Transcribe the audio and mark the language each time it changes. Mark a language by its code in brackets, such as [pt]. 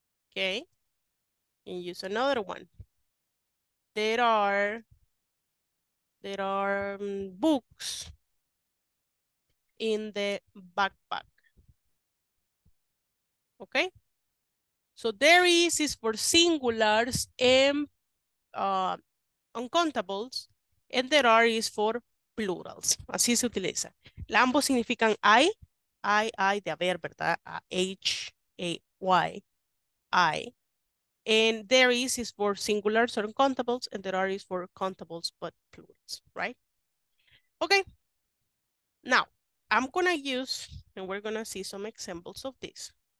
[en] Okay? And use another one. There are books in the backpack. Okay? So there is for singulars and uncountables, and there are is for plurals. [es] Así se utiliza. Ambos significan I, de haber, ¿verdad? H, A, Y. I. [en] And there is for singular, certain countables, and there are is for countables, but plurals, right? Okay. Now, I'm going to use, and we're going to see some examples of this.